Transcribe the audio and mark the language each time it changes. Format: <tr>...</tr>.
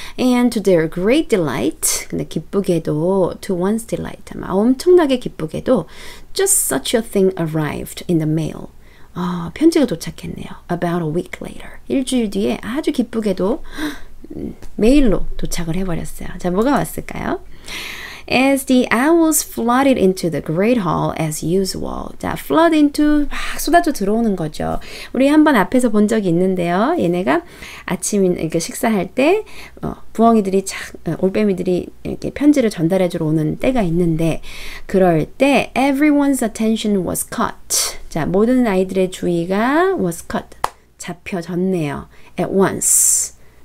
<en>And to their great delight,</en> <ko>근데 기쁘게도,</ko> <en>to one's delight,</en> <ko>아마 엄청나게 기쁘게도</ko> <en>just such a thing arrived in the mail.</en> <ko>아, 편지가 도착했네요.</ko> <en>About a week later.</en> <ko>일주일 뒤에 아주 기쁘게도 메일로 도착을 해버렸어요. 자, 뭐가 왔을까요?</ko> <en>As the owls flooded into the great hall as usual.</en> <ko>자, flood into, 막 쏟아져 들어오는 거죠. 우리 한번 앞에서 본 적이 있는데요. 얘네가 아침 이렇게 식사할 때 부엉이들이 착, 올빼미들이 이렇게 편지를 전달해주러 오는 때가 있는데 그럴 때</ko> <en>everyone's attention was caught.</en> <ko>자, 모든 아이들의 주의가</ko> <en>was caught.</en> <ko>잡혀졌네요.</ko> <en>At once.</en>